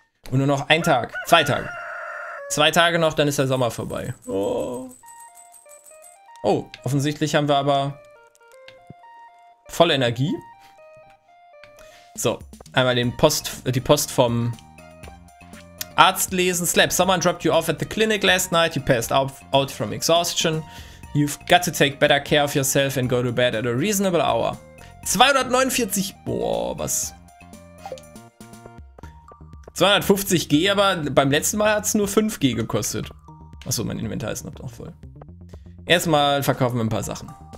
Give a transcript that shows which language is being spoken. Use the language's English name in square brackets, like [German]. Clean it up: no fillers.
[German] Und nur noch ein Tag, zwei Tage. Zwei Tage noch, dann ist der Sommer vorbei. Oh. Oh, offensichtlich haben wir aber volle Energie. So, einmal den Post, die Post vom Arzt lesen. [English] Slap, someone dropped you off at the clinic last night. You passed out from exhaustion. You've got to take better care of yourself and go to bed at a reasonable hour. [German] 249, boah, was? 250 G, aber beim letzten Mal hat es nur 5 G gekostet. Achso, mein Inventar ist noch voll. Erstmal verkaufen wir ein paar Sachen.